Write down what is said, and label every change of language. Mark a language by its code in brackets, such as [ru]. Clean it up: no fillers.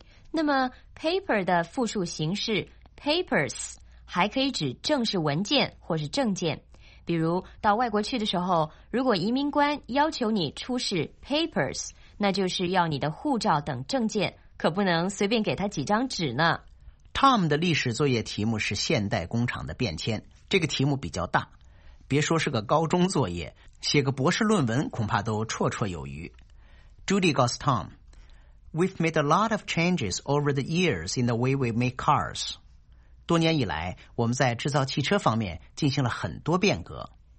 [zh] 那么 paper 的复数形式 papers还可以指正式文件或是证件，比如到外国去的时候，如果移民官要求你出示 papers， 那就是要你的护照等证件，可不能随便给他几张纸呢。 Tom 的历史作业题目是现代工厂的变迁，这个题目比较大，别说是个高中作业，写个博士论文恐怕都绰绰有余。 [en] Judy [zh] 告诉 [en] Tom， We've made a lot of changes over the years in the way we make cars. [zh] 多年以来，我们在制造汽车方面进行了很多变革。